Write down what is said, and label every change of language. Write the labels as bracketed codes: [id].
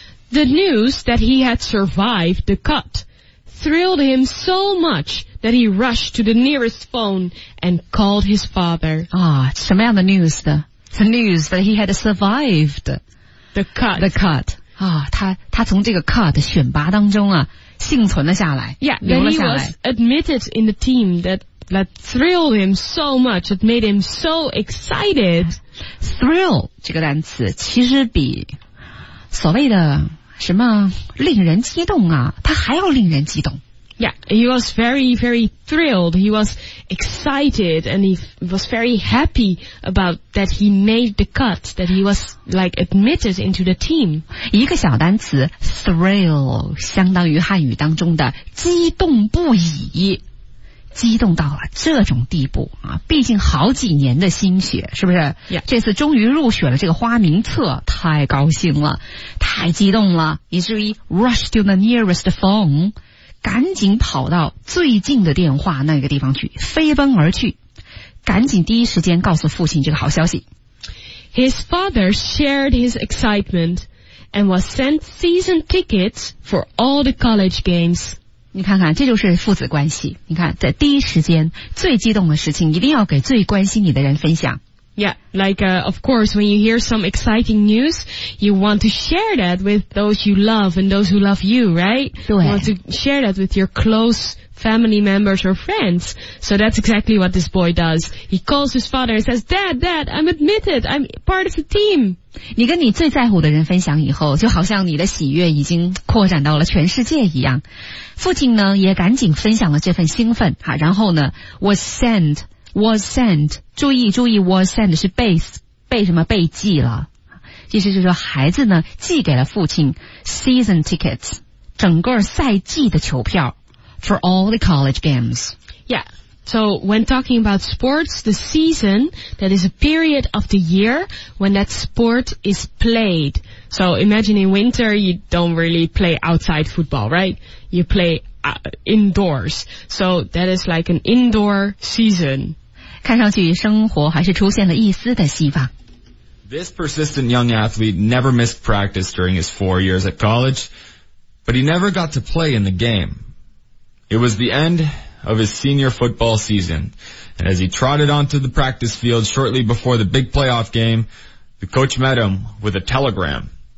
[en] The news that he had survived the cut thrilled him so much that he rushed to the nearest phone and called his father. [zh] 啊，什么样的 news 的？ [en] The news that he had survived the cut [zh] 他从这个 cut 选拔当中啊幸存了下来。 [en] Yeah, [zh] 留了下来。 [en] He was admitted in the team that thrilled him so much, that made him so excited. [zh] Thrill 这个单词其实比所谓的什么令人激动啊他还要令人激动。 [en] Yeah, he was very, very thrilled. He was excited and he was very happy about that he made the cut, that he was like admitted into the team. [zh] 一个小单词 thrill 相当于汉语当中的激动不已，激动到了这种地步啊！毕竟好几年的心血，是不是？ [en] Yeah. [zh] 这次终于入选了这个花名册，太高兴了，太激动了，以至于 [en] rush to the nearest phone。 [zh] 赶紧跑到最近的电话那个地方去，飞奔而去，赶紧第一时间告诉父亲这个好消息。 [en] His father shared his excitement and was sent season tickets for all the college games. [zh] 你看看，这就是父子关系。你看，在第一时间最激动的事情，一定要给最关心你的人分享。 [en] Yeah, like, of course, when you hear some exciting news, you want to share that with those you love and those who love you, right? [zh] 对。 [en] You want to share that with your close family members or friends. So that's exactly what this boy does. He calls his father and says, Dad, I'm admitted, I'm part of the team. [zh] 你跟你最在乎的人分享以后，就好像你的喜悦已经扩展到了全世界一样。父亲呢，也赶紧分享了这份兴奋，啊，然后呢 [en] was sent, [zh] 注意 was sent 是被什么被寄了。意思就是说孩子呢寄给了父亲 [en] season tickets, [zh] 整个赛季的球票 [en] for all the college games. Yeah, so when talking about sports, the season, that is a period of the year when that sport is played. So imagine in winter, you don't really play outside football, right? You play indoors. So that is like an indoor season. [zh] 看上去生活还是出现了一丝的希望。 [en] This persistent young athlete never missed practice during his 4 years at college, but he never got to play in the game. It was the end of his senior football season. And as he trotted onto the practice field shortly before the big playoff game, the coach met him with a telegram.